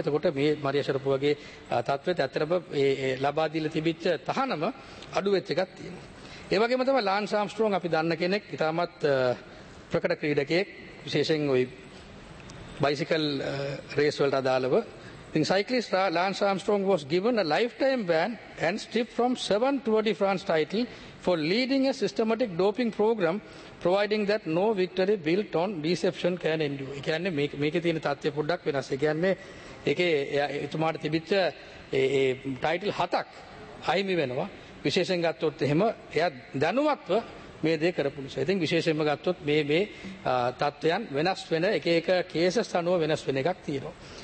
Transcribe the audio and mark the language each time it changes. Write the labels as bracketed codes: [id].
[si] එතකොට මේ මරියා ෂරපෝවාගේ තත්වෙත් ඇත්තටම ඒ ලබා දීලා තිබිච්ච තහනම අඩු වෙච්ච එකක් තියෙනවා. ඒ වගේම තමයි ලාන්ස් ආම්ස්ට්‍රෝං අපි දන්න කෙනෙක්, ඉතාමත් ප්‍රකට ක්‍රීඩකයෙක් විශේෂයෙන් ওই බයිසිකල් රේස් වලට අදාළව. ඉතින් සයිකලිස්ට් lance Armstrong [en] was given a lifetime ban and stripped from 7 Tour de France title for leading a systematic doping program providing that no victory built on deception can endure. [si] ඒ කියන්නේ මේකේ තියෙන තත්ත්වය පොඩ්ඩක් වෙනස්. ඒ කියන්නේ ඒකේ එතුමාට තිබිච්ච ඒ ටයිටල් 7ක් අහිමි වෙනවා. විශේෂයෙන් ගත්තොත් එහෙම එයා දැනුවත්ව මේ දේ කරපු නිසා. ඉතින් විශේෂයෙන්ම ගත්තොත් මේ තත්ත්වයන් වෙනස් වෙන එක එක කේසස් අනුව වෙනස් වෙන එකක් තියෙනවා.